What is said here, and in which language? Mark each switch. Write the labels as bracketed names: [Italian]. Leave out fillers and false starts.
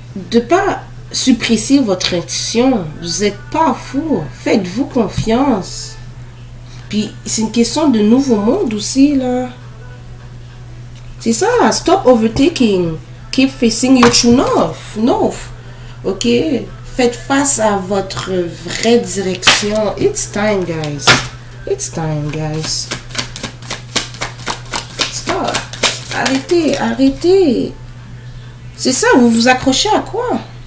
[French] De pas supprimer votre intuition. Vous n'êtes pas fou. Faites-vous confiance. Puis, c'est une question de nouveau monde aussi, là. C'est ça. [English] Stop overtaking. Keep facing your true north. OK? [French] Faites face à votre vraie direction. [English] It's time, guys. It's time, guys. [French] Stop. Arrêtez. C'est ça, vous vous accrochez à quoi?